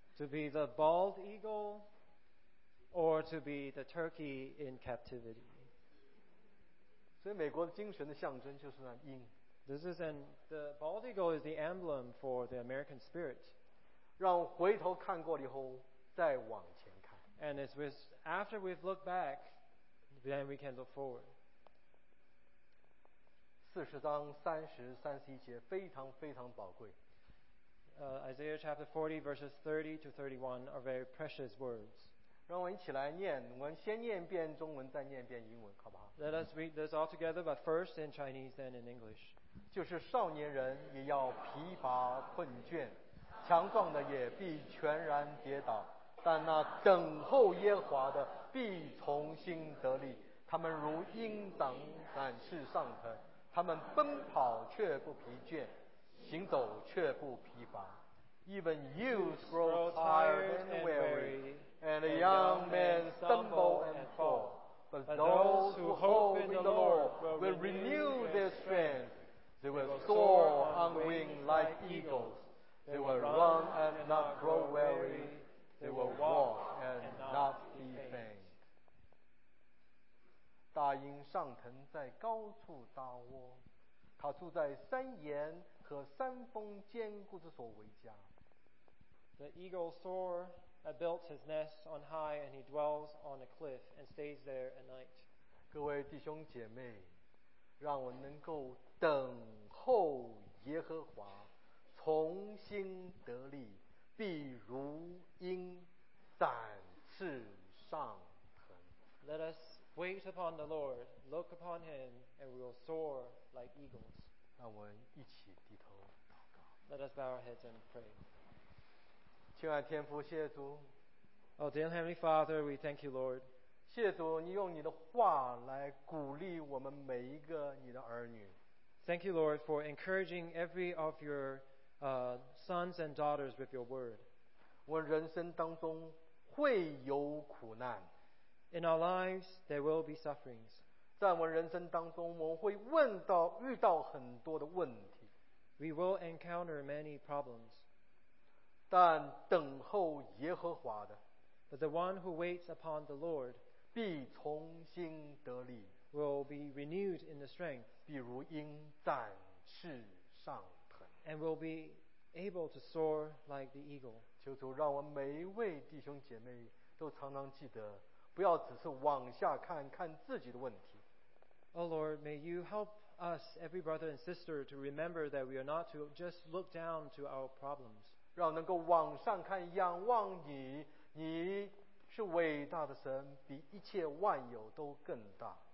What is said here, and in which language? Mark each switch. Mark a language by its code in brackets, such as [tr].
[en] To be the bald eagle or to be the turkey in captivity. [zh] 所以美国精神的象征就是那鹰。 [en] This is the bald eagle is the emblem for the American spirit. [zh] 让回头看过以后再往前看。 [en] And it's with, after we've looked back, then we can look forward. [zh] 40章30-31节 非常非常宝贵。 [en] Isaiah chapter 40 verses 30-31 are very precious words. [zh] 让我们一起来念, 我们先念遍中文再念遍英文, 好不好? [en] Let us read this all together, but first in Chinese, then in English. [zh] 就是少年人也要疲乏困倦, 强壮的也必全然跌倒, 但那等候耶和华的必重新得力, 他们如鹰展翅上腾, 他们奔跑却不疲倦, 行走却不疲乏。 [en] Even youths grow tired and weary, and the young men stumble and fall. But those who hope in the Lord will renew their strength. They will soar on wings like eagles. They will run and not grow weary. They will walk and not be faint. [zh] 大鹰上腾在高处搭窝, [en] The eagle soar built his nest on high, and he dwells on a cliff and stays there at night. [zh] 各位弟兄姐妹，让我能够等候耶和华，重新得力，必如鹰展翅上腾。 [en] Let us wait upon the Lord, look upon him, and we will soar like eagles. [zh] 让我们一起低头祷告。 [en] Let us bow our heads and pray. [zh] 亲爱天父，谢主。 [en] Oh, dear Heavenly Father, we thank you, Lord. [zh] 谢主，你用你的话来鼓励我们每一个你的儿女。 [en] Thank you, Lord, for encouraging every of your sons and daughters with your word. [zh] 我人生当中会有苦难。 [en] In our lives, there will be sufferings. [zh] 在我人生当中，我会问到遇到很多的问题。 [en] We will encounter many problems. [zh] 但等候耶和华的 [en] ，But the one who waits upon the Lord [zh] 必重新得力 [en] ，will be renewed in the strength. [zh] 必如鹰展翅上。 [en] And will be able to soar like the eagle. [zh] 求主让我们每一位弟兄姐妹都常常记得，不要只是往下看看自己的问题。 [en] Oh Lord, may you help us, every brother and sister, to remember that we are not to just look down to our problems. [zh] 让能够往上看，仰望你，你是伟大的神，比一切万有都更大。